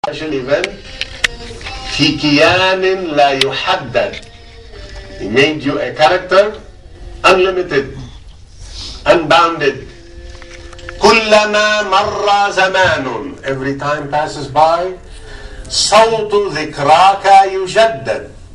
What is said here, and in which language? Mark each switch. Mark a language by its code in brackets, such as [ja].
[ar] عشان يبان في كيان لا يحدد. [en] He made you a character unlimited, unbounded. [ar] كلما مر زمان, [en] every time passes by, [ar] صوت ذكراك يجدد.